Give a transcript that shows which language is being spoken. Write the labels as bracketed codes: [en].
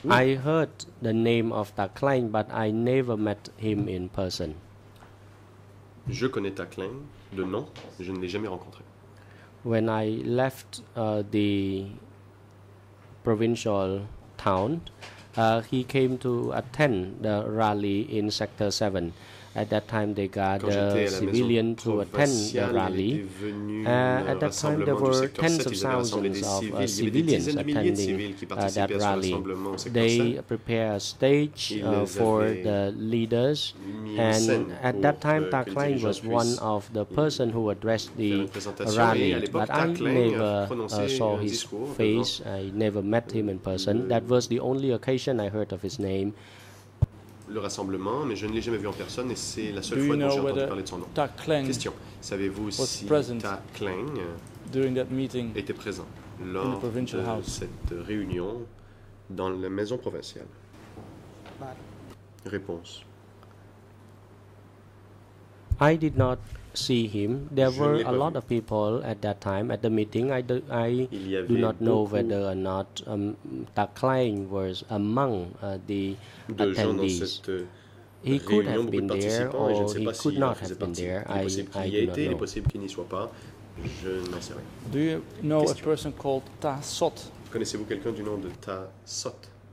[en] I heard the name of Ta Kleng, but I never met him in person. [fr] Je connais Ta Kleng de nom, je ne l'ai jamais rencontré. [en] When I left the provincial town, he came to attend the rally in Sector 7. At that time, they got a civilian to attend the rally. At that time, there were tens of thousands of civilians attending that rally. They prepared a stage for the leaders. And at that time, Ta Kleng was one of the persons who addressed the rally. But I never saw his face. I never met him in person. That was the only occasion I heard of his name. [fr] Le rassemblement, mais je ne l'ai jamais vu en personne et c'est la seule fois dont j'ai entendu parler de son nom. [en] Ta Kleng question. [fr] Savez-vous si Ta Kleng était présent lors de [en] house. [fr] Cette réunion dans la maison provinciale? Réponse. [en] I did not see him. There were a lot of people at that time at the meeting. I do not know whether or not Ta Kleng was among the attendees. He could have been there or he could not have been there. I do not know. [fr] Possible qu'il n'y soit pas. Je n'en sais rien. [en] Do you know a person called Ta Sot? [fr] Connaissez-vous quelqu'un du nom de Ta Sot?